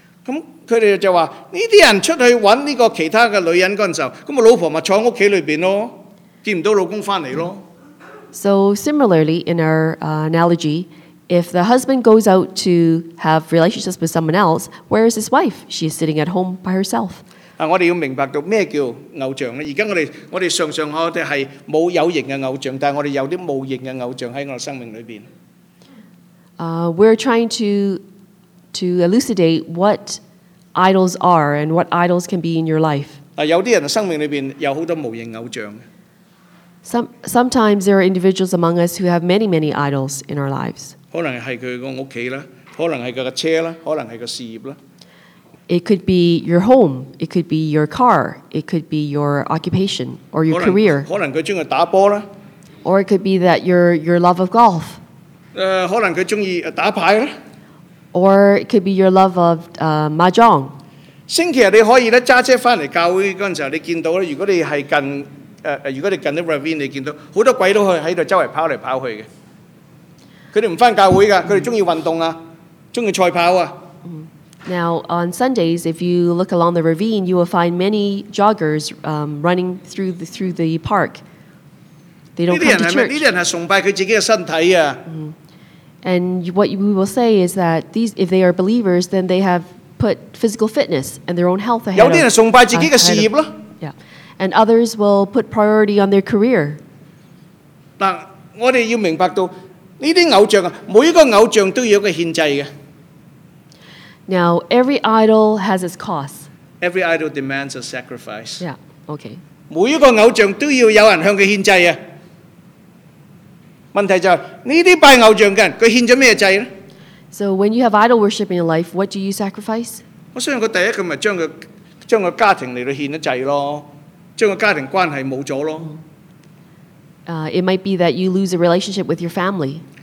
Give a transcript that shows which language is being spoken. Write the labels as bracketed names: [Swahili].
[Cantonese] 咁佢哋就話：呢啲人出去揾呢個其他嘅女人嗰陣時候，咁個老婆咪坐喺屋企裏邊咯，見唔到老公翻嚟咯。 [English] So similarly, in our analogy, if the husband goes out to have relationships with someone else, where is his wife? She is sitting at home by herself. [Cantonese] 我哋要明白到咩叫偶像咧？而家我哋常常我哋系冇有形嘅偶像，但系我哋有啲无形嘅偶像喺我哋生命里边。 [English] We're trying to elucidate what idols are and what idols can be in your life. [Cantonese] 有啲人生命里边有好多无形偶像。 [English] Sometimes there are individuals among us who have many many idols in our lives. [Cantonese] 可能系佢个屋企啦，可能系佢个车啦，可能系个事业啦。 [English] It could be your home, it could be your car, it could be your occupation or your career. [Cantonese] 可能佢中意打波啦。 [English] Or it could be that your love of golf. [Cantonese] 可能佢中意打牌啦。 [English] Or it could be your love of mahjong. [Cantonese] 星期日你可以咧揸车翻嚟教会嗰阵时候，你见到咧，如果你系近如果你近啲 ravine， 你见到好多鬼都去喺度周围跑嚟跑去嘅。佢哋唔翻教会噶，佢哋中意运动啊，中意赛跑啊。 [English] Now, on Sundays, if you look along the ravine, you will find many joggers running through the park. They don't come to church. [Cantonese] 呢啲人係崇拜佢自己嘅身體啊。 [English] And what we will say is that these, if they are believers, then they have put physical fitness and their own health ahead of them. [Cantonese] 有啲人崇拜自己嘅事業咯。 [English] Yeah. And others will put priority on their career. [Cantonese] 但我哋要明白到呢啲偶像啊，每一個偶像都有一個限制嘅。 [English] Now, every idol has its cost. Every idol demands a sacrifice. Yeah, okay. [Cantonese] 每一个偶像都要有人向佢献祭啊。问题就系呢啲拜偶像嘅人，佢献咗咩祭咧？ [English] So when you have idol worship in your life, what do you sacrifice? [Cantonese] 我相信佢第一佢咪将个家庭嚟到献咗祭咯，将个家庭关系冇咗咯。 [English] It might be that you lose a relationship with your family.